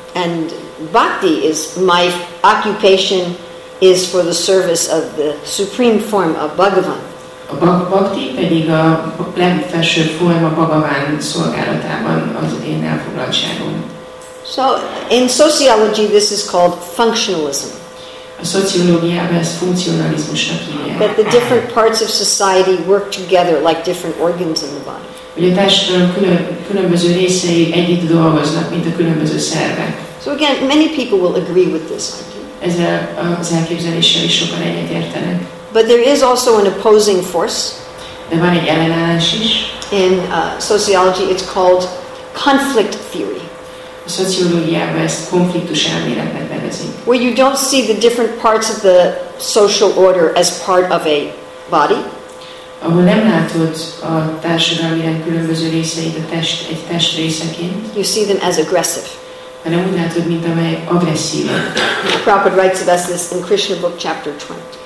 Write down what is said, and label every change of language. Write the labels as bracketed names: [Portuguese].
[English] And Bhakti is my occupation is for the service of the supreme form of Bhagavan. [Hungarian] A bhakti pedig a legfelső forma Bhagavan szolgálatában az én elfoglaltságom. [English] So in sociology this is called functionalism. [Hungarian] A szociológiában ezt funkcionalizmusnak hívják. [English] That the different parts of society work together like different organs in the body. [Hungarian] Hogy a társadalom különböző részei együtt dolgoznak, mint a különböző szervek. [English] So again, many people will agree with this idea. [Hungarian] Ezzel az elképzeléssel is sokan egyetértenek. [English] But there is also an opposing force. [Hungarian] De van egy ellenállás is. [English] In sociology, it's called conflict theory. [Hungarian] A szociológiában ezt konfliktus elméletnek nevezik. [English] Where you don't see the different parts of the social order as part of a body. [Hungarian] Ahol nem látod a társadalmi rend különböző részeit a test, egy test részeként. [English] You see them as aggressive. [Hungarian] hanem úgy látod, mint amely agresszív. [English] Prabhupada writes about this in Krishna book chapter 20.